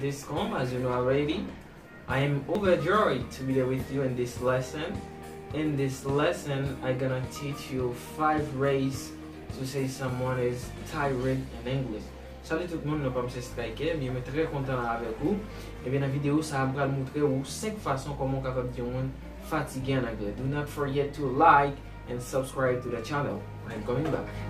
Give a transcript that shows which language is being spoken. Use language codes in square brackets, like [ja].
[en] This com, as you know already, I am overjoyed to be here with you in this lesson. In this lesson, I'm gonna teach you 5 ways to say someone is tired in English. [fr] Salut tout le monde, nous sommes Strike, je suis très content d'être avec vous. Et bien, dans la vidéo, ça va vous montrer 5 façons comment on peut dire fatigué en anglais. [en] Do not forget to like and subscribe to the channel. I'm coming back.